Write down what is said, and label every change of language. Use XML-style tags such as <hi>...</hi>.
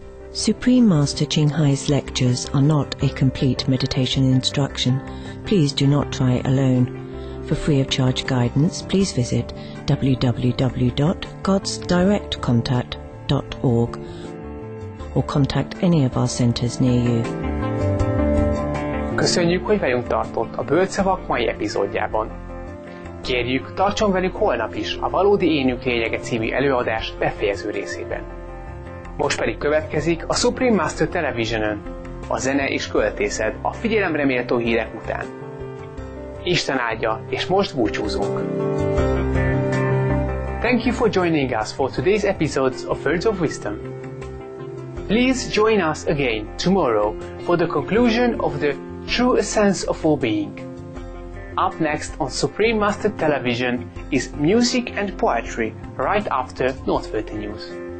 <en>Supreme Master Qinghai's lectures are not a complete meditation instruction. Please do not try alone. For free of charge guidance, please visit www.godsdirectcontact.org or contact any of our centers near you.</en> <hu>Köszönjük, hogy velünk tartott a Bölcsevak mai epizódjában. Kérjük, tartson velünk holnap is a Valódi Énünk Lényege című előadás befejező részében. Most pedig következik a Supreme Master Televisionön, a zene és költészet a figyelemreméltó hírek után. Isten áldja, és most búcsúzunk!</hu> <en>Thank you for joining us for today's episodes of Words of Wisdom. Please join us again tomorrow for the conclusion of the True Essence of All Being. Up next on Supreme Master Television is Music and Poetry right after Northvolta News.</en>